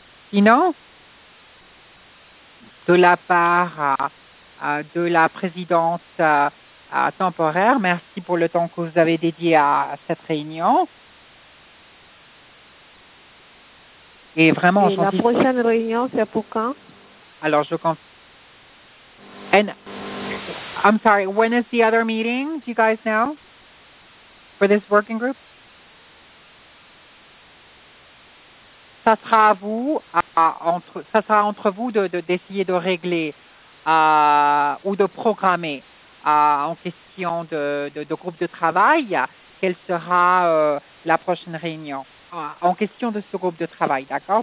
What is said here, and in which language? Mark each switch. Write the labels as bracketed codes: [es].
[fr] Sinon, de la part de la présidente temporaire, merci pour le temps que vous avez dédié à cette réunion. Et vraiment, la prochaine réunion, c'est pour quand? Alors, [en] And I'm sorry, when is the other meeting, do you guys know, for this working group? [fr] Ça sera à vous, ça sera entre vous d'essayer de régler ou de programmer en question de groupe de travail, quelle sera la prochaine réunion en question de ce groupe de travail, d'accord?